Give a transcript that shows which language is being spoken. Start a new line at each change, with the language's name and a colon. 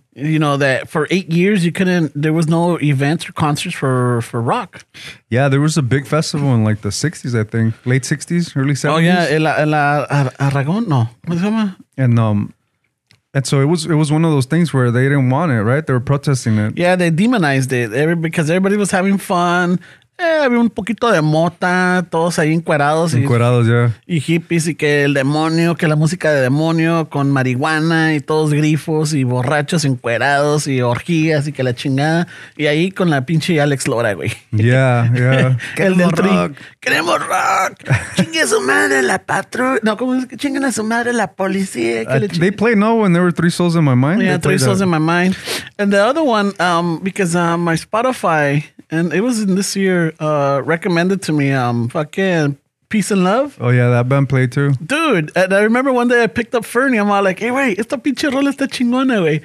English: You know, that for 8 years, there was no events or concerts for rock. Yeah, there was a big festival in like the 60s, I think. Late 60s, early 70s. Oh, yeah. El Aragón, no. What's it called? And so it was one of those things where they didn't want it, right? They were protesting it. Yeah, they demonized it because everybody was having fun.
Spanish: Había un poquito de mota, todos ahí encuerados. Encuerados, yeah. Y hippies, y que el demonio, que la música de demonio con marihuana y todos grifos y borrachos encuerados y orgías y que la chingada. Y ahí con la pinche Alex Lora, güey.
English: Yeah, yeah.
Spanish: El del tri. ¡Queremos rock! ¡Chingue a su madre la patrulla! No, ¿cómo es que chinguen a su madre la policía?
English: They play No When There Were Three Souls in My Mind. Yeah, Three Souls in My Mind. And the other one, because my Spotify... And it was in this year recommended to me, fucking Peace and Love. Oh, yeah, that band played too. Dude, and I remember one day I picked up Fernie. I'm all like, hey, wait,
Spanish: esta pinche rola está chingona, güey.